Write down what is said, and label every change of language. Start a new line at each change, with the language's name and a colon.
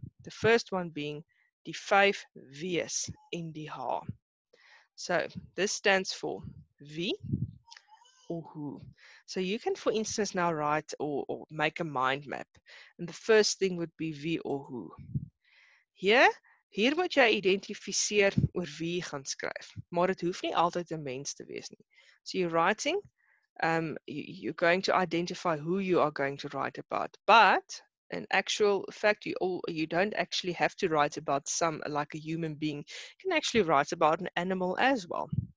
English: The first one being the 5 V's in the H. So this stands for V or who. So you can, for instance, now write or make a mind map. And the first thing would be V or who.
Afrikaans: Hier moet jy identifiseer oor wie jy gaan skryf. Maar dit hoef nie altyd 'n mens te wees nie.
English: So you're writing, you're going to identify who you are going to write about. But in actual fact, you don't actually have to write about some like a human being. You can actually write about an animal as well.